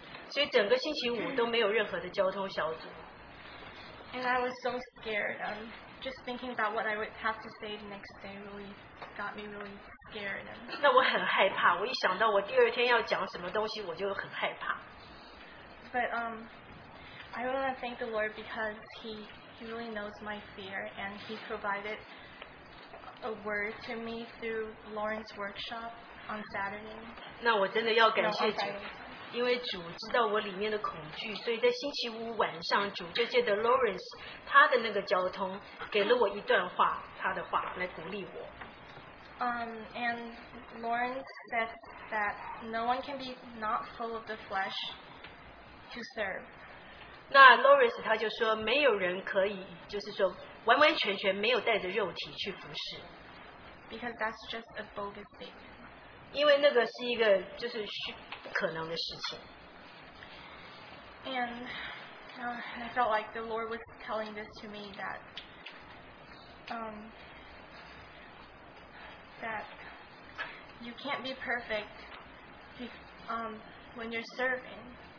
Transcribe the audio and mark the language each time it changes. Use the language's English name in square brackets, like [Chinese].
[Chinese] 所以整个星期五都没有任何的交通小组. [English] And I was so scared. Just thinking about what I would have to say the next day really got me really scared. [Chinese] 那我很害怕，我一想到我第二天要讲什么东西，我就很害怕. [English] But I want to thank the Lord because He really knows my fear and He provided a word to me through Lauren's workshop on Saturday. [Chinese] 那我真的要感谢主, 因为主知道我里面的恐惧, 所以在星期五晚上主就借着 Lawrence 他的那个交通, 给了我一段话, 他的话, 来鼓励我。 [English] And Lawrence said that no one can be not full of the flesh to serve. [Chinese] 那 Lawrence 他就说, 没有人可以, 就是说, 完完全全没有带着肉体去服侍。 [English] Because that's just a bogus statement. [Chinese] 因为那个是一个就是不可能的事情. [English] And I felt like the Lord was telling this to me that that you can't be perfect when you're serving.